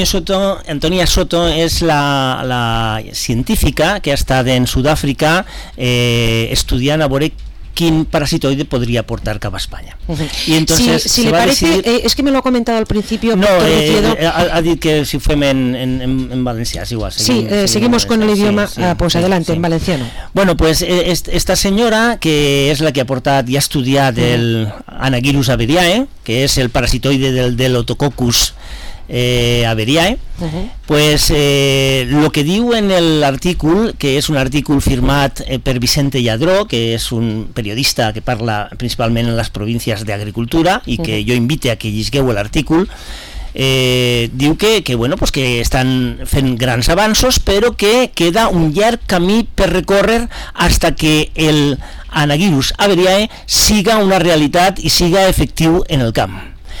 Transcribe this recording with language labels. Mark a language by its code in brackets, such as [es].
[ca] Antonia Soto és la científica que ha estat en Sud-àfrica estudiant a veure quin parasitoide podria portar cap a Espanya. I entonces, si li parece, decidir... és que me lo ha comentat al principi... No, ha dit que si ho fem en valencià, és igual. [es] Seguimos con el idioma, sí, pues sí, adelante, sí. En valenciano. [ca] Bueno, pues esta senyora, que és la que ha portat i ha estudiat el Anagyrus averiae, que és el parasitoide del Otococcus averiae, pues lo que diu en l'article, que és un article firmat per Vicente Lladró, que és un periodista que parla principalment en les províncies d'agricultura i que jo invite a que llisgueu l'article, diu que bueno, pues que estan fent grans avanços, però que queda un llarg camí per recórrer hasta que el Anagyrus averiae siga una realitat i siga efectiu en el camp.